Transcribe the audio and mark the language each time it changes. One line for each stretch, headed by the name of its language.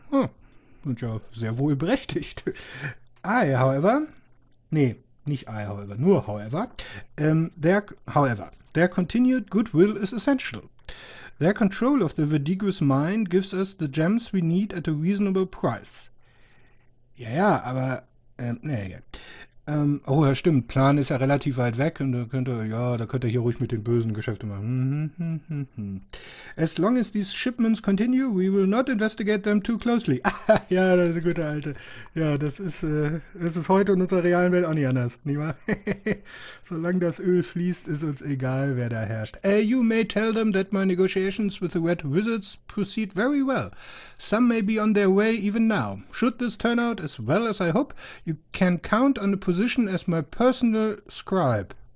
German: Oh, und ja, sehr wohl berechtigt. Nee, nicht I, however, nur however.
English: Their continued goodwill is essential. Their control of the Verdigris Mine gives us the gems we need at a reasonable price.
German: Ja, aber, nee, oh ja, stimmt, Plan ist ja relativ weit weg und da könnt ihr hier ruhig mit den bösen Geschäften machen.
English: As long as these shipments continue, we will not investigate them too closely.
German: Ah, ja, das ist ein guter Alte. Ja, das ist heute in unserer realen Welt auch nicht anders, nicht wahr? Solange das Öl fließt, ist uns egal, wer da herrscht.
English: You may tell them that my negotiations with the Red Wizards proceed very well. Some may be on their way even now. Should this turn out as well as I hope, you can count on the position as my personal scribe.